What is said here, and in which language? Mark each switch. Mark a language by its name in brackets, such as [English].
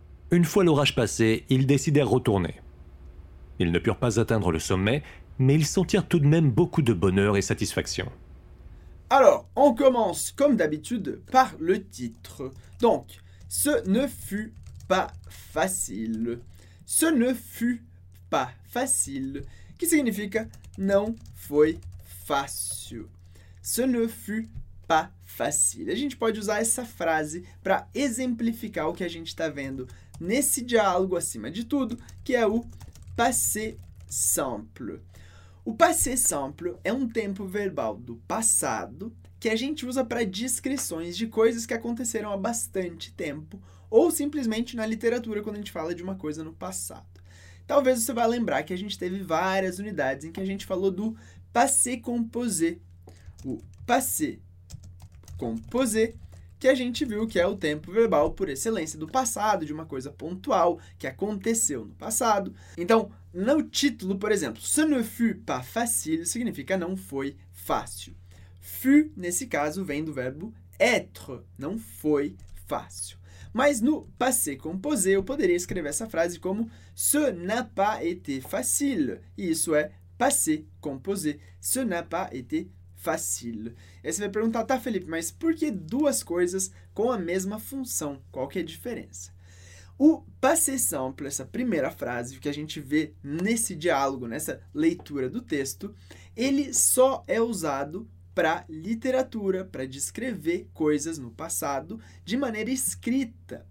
[French] Une fois l'orage passé, ils décidèrent retourner. Ils ne purent pas atteindre le sommet, mais ils sentirent tout de même beaucoup de bonheur et satisfaction. Alors, on commence, comme d'habitude, par le titre. Donc, ce ne fut pas facile. Ce ne fut pas facile, qui [Portuguese] significa não foi fácil. [French] Ce ne fut pas facile. [Portuguese] A gente pode usar essa frase para exemplificar o que a gente está vendo nesse diálogo acima de tudo, que é o passé simple. O passé simple é um tempo verbal do passado que a gente usa para descrições de coisas que aconteceram há bastante tempo ou simplesmente na literatura quando a gente fala de uma coisa no passado. Talvez você vá lembrar que a gente teve várias unidades em que a gente falou do passé composé. O passé composé, que a gente viu que é o tempo verbal por excelência do passado, de uma coisa pontual que aconteceu no passado. Então, no título, por exemplo, [French] ce ne fut pas facile [Portuguese] significa não foi fácil. Fut, nesse caso, vem do verbo être, não foi fácil. Mas no passé composé, eu poderia escrever essa frase como [French] ce n'a pas été facile. [Portuguese] E isso é passé composé. [French] Ce n'a pas été facile. [Portuguese] Aí você vai perguntar, tá, Felipe, mas por que duas coisas com a mesma função? Qual que é a diferença? passé simple, essa primeira frase que a gente vê nesse diálogo, nessa leitura do texto, ele só é usado para literatura, para descrever coisas no passado de maneira escrita.